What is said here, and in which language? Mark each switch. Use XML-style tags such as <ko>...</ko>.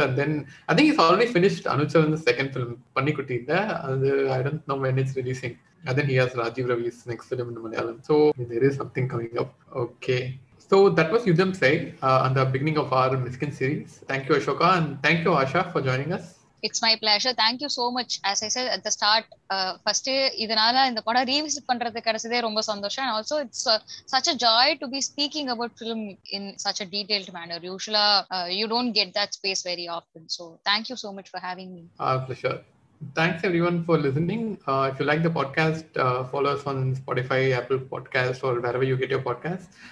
<en>And then I think he's already finished Anuchavan's second film, Pannikutti. I don't know when it's releasing. And then he has Rajiv Ravi's next film in Malayalam. So there is something coming up. Okay. So that was Yuddham Sai on the beginning of our Mysskin series. Thank you, Ashoka. And thank you, Asha, for joining us. It's my pleasure. Thank you so much. As I said at the start, first,</en> <ta>இதனால இந்த படம் revisit பண்றது கிடைச்சதே ரொம்ப சந்தோஷம்.</ta> <en>And also, it's such a joy to be speaking about film in such a detailed manner. Usually, you don't get that space very often. So thank you so much for having me. Our pleasure. Thanks everyone for listening. If you like the podcast, follow us on Spotify, Apple Podcasts, or wherever you get your podcasts.</en>